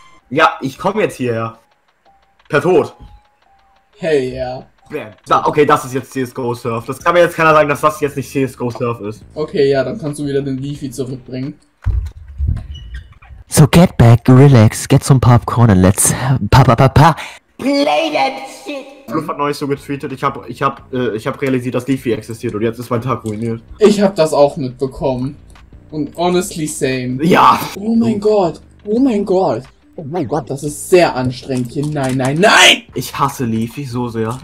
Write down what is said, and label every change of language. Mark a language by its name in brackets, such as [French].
[German] Ja, ich komm jetzt hierher. Per Tod. [English] Hell yeah. [German] Da, okay, das ist jetzt CSGO Surf. Das kann mir jetzt keiner sagen, dass das jetzt nicht CSGO Surf ist. Okay, ja, dann kannst du wieder den Leafy zurückbringen. [English] So get back, relax, get some popcorn and let's play that shit! [German] Bluff hat neulich so getweetet, ich hab realisiert, dass Leafy existiert und jetzt ist mein Tag ruiniert. Ich hab das auch mitbekommen. [English] Und honestly same. [German] Ja! Oh mein Gott! Oh mein Gott, das ist sehr anstrengend hier. Nein, nein, nein! Ich hasse Leafy so sehr.